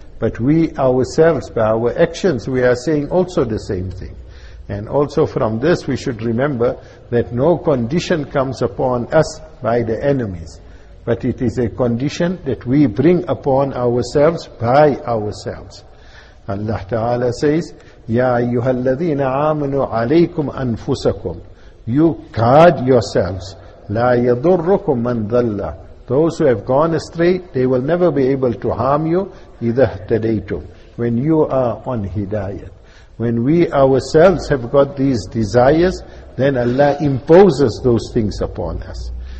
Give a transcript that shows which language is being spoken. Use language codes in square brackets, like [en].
[en] But we ourselves, by our actions, we are saying also the same thing. And also from this we should remember that no condition comes upon us by the enemies, but it is a condition that we bring upon ourselves by ourselves. Allah Ta'ala says, [ar] يَا أَيُّهَا الَّذِينَ آمَنُوا عَلَيْكُمْ أَنفُسَكُمْ. [en] You guard yourselves. [ar] لَا يَضُرُّكُمْ مَنْ ضَلَّ. [en] Those who have gone astray, they will never be able to harm you. [ar] إِذَا اهْتَدَيْتُمْ. [en] When you are on hidayat. When we ourselves have got these desires, then Allah imposes those things upon us.